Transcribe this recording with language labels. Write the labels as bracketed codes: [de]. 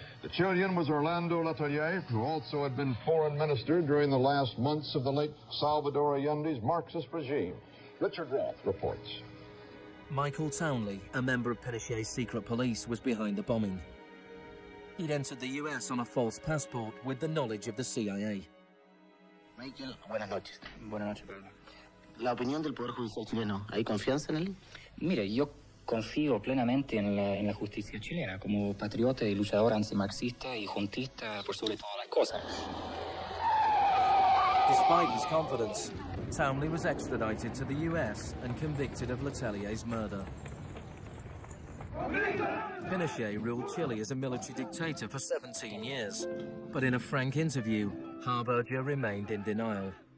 [en] The Chilean was Orlando Letelier, who also had been foreign minister during the last months of the late Salvador Allende's Marxist regime. Richard Roth reports. Michael Townley, a member of Pinochet's secret police, was behind the bombing. He'd entered the U.S. on a false passport with the knowledge of the CIA. [es] Michael, buenas noches. Buenas noches. La opinión del Poder Judicial chileno, ¿hay confianza en él? Mire, yo confío plenamente en la justicia chilena, como patriota y luchador antimarxista y juntista por sobre todas las cosas. [en] Despite his confidence, Townley was extradited to the U.S. and convicted of Letelier's murder. Pinochet ruled Chile as a military dictator for 17 years. But in a frank interview, Harberger remained in denial.